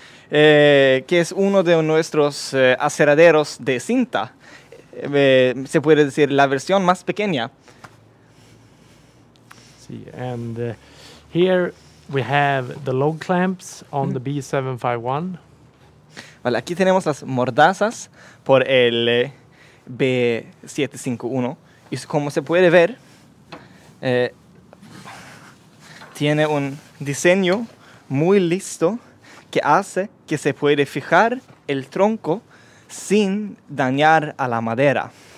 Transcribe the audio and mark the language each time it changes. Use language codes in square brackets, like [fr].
[es] Que es uno de nuestros aserraderos de cinta. Se puede decir la versión más pequeña. [en] Sí, and here we have the log clamps on the B751. [es] Vale, aquí tenemos las mordazas por el B751. Y como se puede ver, tiene un diseño muy listo que hace que se puede fijar el tronco sin dañar a la madera.